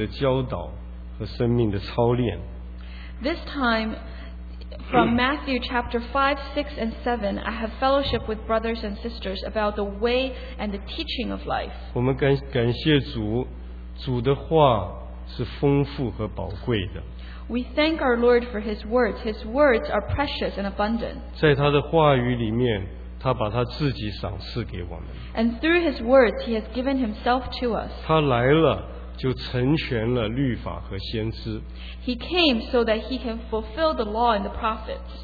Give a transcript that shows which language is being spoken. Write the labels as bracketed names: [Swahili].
[Chinese] 这一次我和弟兄姊妹从马太福音第五章到第七章交通关于生命的教导和生命的操练。 [English] This time, from Matthew chapter 5, 6, and 7, I have fellowship with brothers and sisters about the way and the teaching of life. [Chinese] 我们感谢主，主的话是丰富和宝贵的。 [English] We thank our Lord for His words. His words are precious and abundant. [Chinese] 在他的话语里面，他把他自己赏赐给我们。 [English] And through His words, He has given Himself to us. [Chinese] 他来了。就成全了律法和先知 [English] He came so that he can fulfill the law and the prophets